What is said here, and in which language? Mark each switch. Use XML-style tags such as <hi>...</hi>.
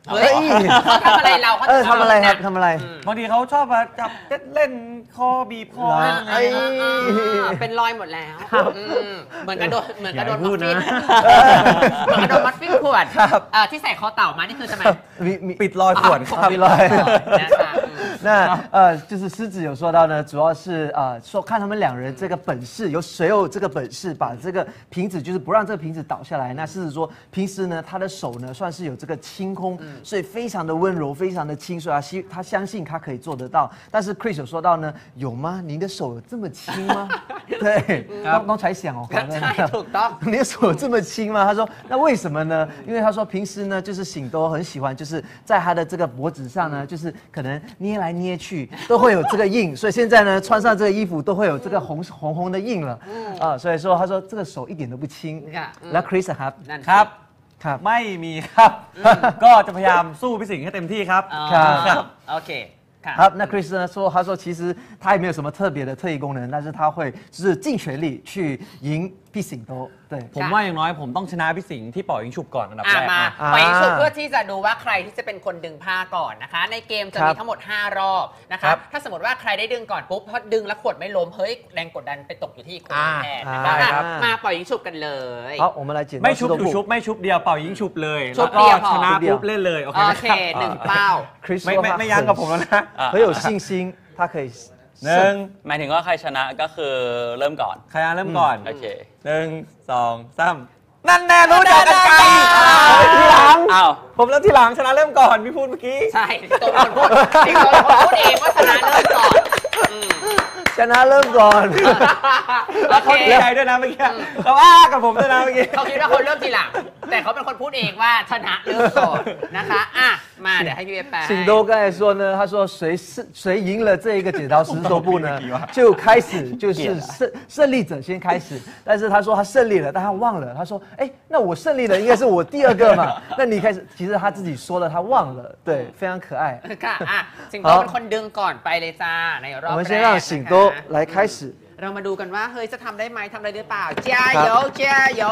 <th>เฮ้ยทำอะไรเรา เออทำอะไรครับทำอะไร บางทีเขาชอบมาจับเล่นคอบีบคออะไรนะ เป็นรอยหมดแล้วเหมือนกระโดดเหมือนกระโดดมัดฟิ้นกระโดดมัดฟิ้นขวดที่ใส่คอเต่ามานี่คือทำไม ปิดรอยขวด ครับปิดรอย</th> <zh>那就是狮子有说到呢，主要是说看他们两人这个本事，有谁有这个本事把这个瓶子就是不让这个瓶子倒下来。那狮子说平时呢，他的手呢算是有这个轻功，所以非常的温柔，非常的轻，所以他相信他可以做得到。但是 Chris 有说到呢，有吗？您的手有这么轻吗？对，刚才想哦，刚才你的手有这么轻吗？他说那为什么呢？因为他说平时呢就是醒都很喜欢就是在他的这个脖子上呢，就是可能捏来捏去都会有这个印，所以现在呢穿上这个衣服都会有这个红红的印了，所以说他说这个手一点都不轻。那 Chris 哈，</zh> <th>ครับ ครับ ไม่มีครับ ก็จะพยายามสู้พี่สิงห์ให้เต็มที่ครับ ครับ โอเค ครับ</th> <zh>那 Chris 呢说他说其实他也没有什么特别的特异功能但是他会就是尽全力去赢</zh> <th>พี่สิงโต ผมว่าอย่างน้อยผมต้องชนะพี่สิงที่ป่อยิงฉุบก่อนอันดับแรก มาป่อยิงฉุบเพื่อที่จะดูว่าใครที่จะเป็นคนดึงผ้าก่อนนะคะในเกมจะมีทั้งหมด5รอบนะคะถ้าสมมติว่าใครได้ดึงก่อนปุ๊บพอดึงแล้วขวดไม่ล้มเฮ้ยแรงกดดันไปตกอยู่ที่คนแทนมาป่อยิงฉุบกันเลย เอาโอมาลาจิน ไม่ฉุบดูฉุบไม่ฉุบเดียวป่อยิงฉุบเลย ฉุบเดียว ชนะปุ๊บเล่นเลย โอเคหนึ่งเป้า คริสไม่ยั้งกับผมแล้วนะ เฮ้ยอยู่ซิงซิงถ้าเคย หนึ่ง หมายถึงว่าใครชนะก็คือเริ่มก่อน ใครเริ่มก่อน โอเค หนึ่งสองสามนั่นแน่รู้จักกันไป ที หลัง อ้าว ผมแล้วทีหลังชนะเริ่มก่อนพี่พูดเมื่อกี้ ใช่ตัวคนพูด พี่คนพูดเองว่าชนะเริ่มก่อน ชนะเริ่มก่อน แล้วเขาดีใจด้วยนะเมื่อกี้เขาอ้ากับผมด้วยนะเมื่อกี้ เขาคิดว่าคนเริ่มทีหลังแต่เขาเป็นคนพูดเองว่าชนะเริ่มก่อนนะคะอ่ะมาเดี๋ยวให้พี่เอแปล สิงโตก็ไอ้ส่วนเนี่ยเขาบอก</th> <zh>谁赢了这一个剪刀石头布呢就开始就是胜利者先开始但是他说他胜利了但他忘了他说哎那我胜利了应该是我第二个嘛那你开始其实他自己说了他忘了对非常可爱</zh> <th>สิงโตเป็นคนดึงก่อนไปเลยจ้าในรอบ แรกเราให้สิงโตไลค์</th> <zh>开始</zh> <th>เรามาดูกันว่าเฮ้ยจะทำได้ไหมทำได้หรือเปล่าจ้าโยจ้าโย</th>